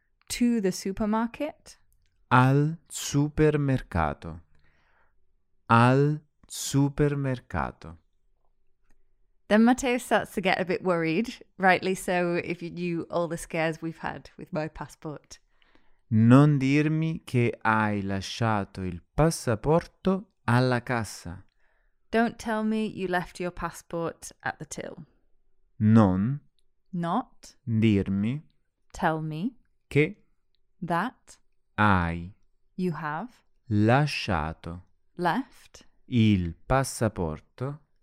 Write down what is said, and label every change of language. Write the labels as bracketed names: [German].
[English] to the supermarket? [Italian] Al supermercato. Al supermercato. [English] Then Matteo starts to get a bit worried, rightly so, if you knew all the scares we've had with my passport. [Italian] Non dirmi che hai lasciato il passaporto alla cassa. [English] Don't tell me you left your passport at the till. [Italian] Non. [English] Not. [Italian] Dirmi. [English] Tell me. [Italian] Che. [English] That. [Italian] Hai. [English] You have. [Italian] Lasciato. [English] Left. [Italian] Il passaporto.